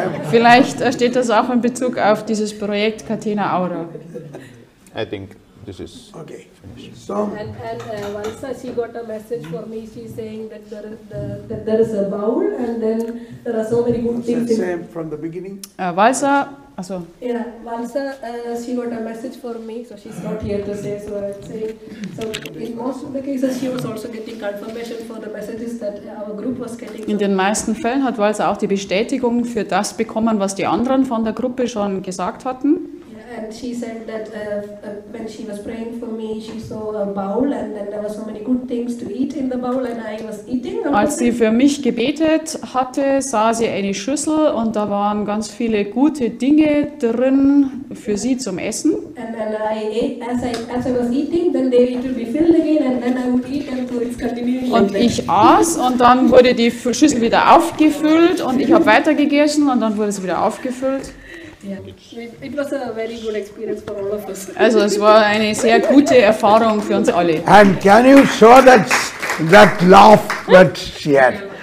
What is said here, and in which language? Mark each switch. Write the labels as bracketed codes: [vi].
[de] Vielleicht steht das auch in Bezug auf dieses Projekt Catena Aura. [en] I think this is okay. Finished. So. And Walsa, she got a message for me. She's saying that there is a bowl and then there are so many good things. Same from the beginning. Walsa. Also. Yeah, Walsa, she got a message for me, so she's not here to say, so I'm saying. So in most of the cases, she was also getting confirmation for the messages that our group was getting. [de] In den meisten Fällen hat Walsa auch die Bestätigung für das bekommen, was die anderen von der Gruppe schon gesagt hatten. [en] Yeah, and she said that when she was praying for me, she saw a bowl and then there were so many good things to eat in the bowl and I was eating. [de] Als sie für mich gebetet hatte, sah sie eine Schüssel und da waren ganz viele gute Dinge drin für sie zum Essen. [en] And then I ate, as I was eating, then they would be filled again and then I would eat and so it's continuing. [de] Und ich aß und dann wurde die Schüssel wieder aufgefüllt und ich habe weiter gegessen und dann wurde sie wieder aufgefüllt. [en] Yeah. It was a very good experience for all of us. [de] Also, es war eine sehr gute Erfahrung für uns alle. [en] And can you show that laugh that she had?